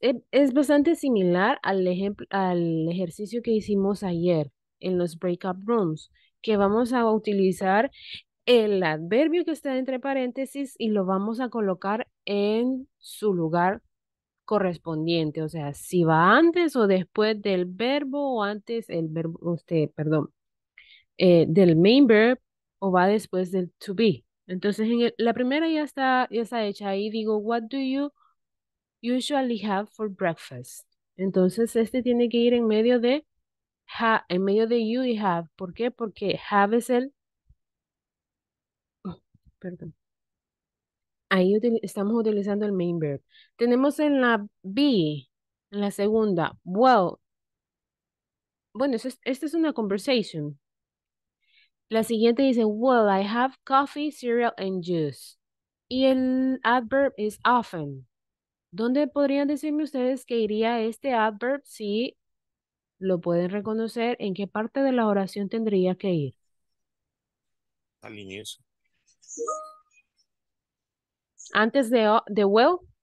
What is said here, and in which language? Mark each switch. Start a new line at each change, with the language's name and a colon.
Spanish: Es bastante similar al ejercicio que hicimos ayer en los breakout rooms, que vamos a utilizar el adverbio que está entre paréntesis y lo vamos a colocar en su lugar correspondiente. O sea, si va antes o después del verbo o antes el verbo, perdón, del main verb o va después del to be. Entonces, la primera ya está hecha ahí.
English: Digo, what do you usually have for breakfast?
Spanish: Entonces, este tiene que ir en medio de en medio de you y have. ¿Por qué? Porque have es el. Perdón. Ahí estamos utilizando el main verb. Tenemos en la be, en la segunda. Well. Bueno, esta es una conversation. La siguiente dice,
English: well, I have coffee, cereal, and juice.
Spanish: Y el
English: adverb is often.
Spanish: ¿Dónde podrían decirme ustedes que iría este adverb si lo pueden reconocer? ¿En qué parte de la oración tendría que ir? Al inicio. Antes de well.